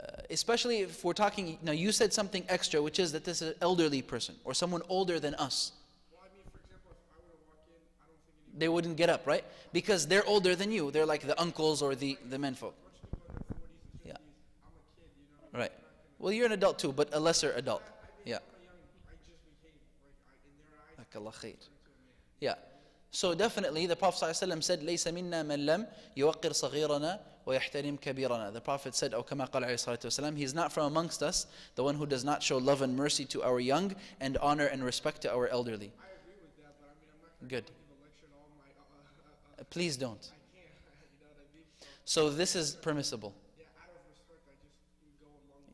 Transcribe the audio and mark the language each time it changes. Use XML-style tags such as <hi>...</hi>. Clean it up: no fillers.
<en>Especially if we're talking, now you said something extra, which is that this is an elderly person or someone older than us. They wouldn't get up, right? Because they're older than you. They're like the uncles or the menfolk. Yeah. Right. Well, you're an adult too, but a lesser adult. Yeah. Yeah. So definitely the Prophet ﷺ said,</en> <ar>لَيْسَ مِنَّا مَنْ لَمْ يُوَقِّرْ صَغِيرَنَا وَيَحْتَرِمْ كَبِيرَنَا.</ar> <en>The Prophet said,</en> <ar>أو كما قال عليه الصلاة والسلام,</ar> <en>he's not from amongst us, the one who does not show love and mercy to our young and honor and respect to our elderly. I agree with that, but I mean, I'm not good. Please don't. I can't. You know what I mean? So this is permissible. Yeah, out of respect, I just go along.</en>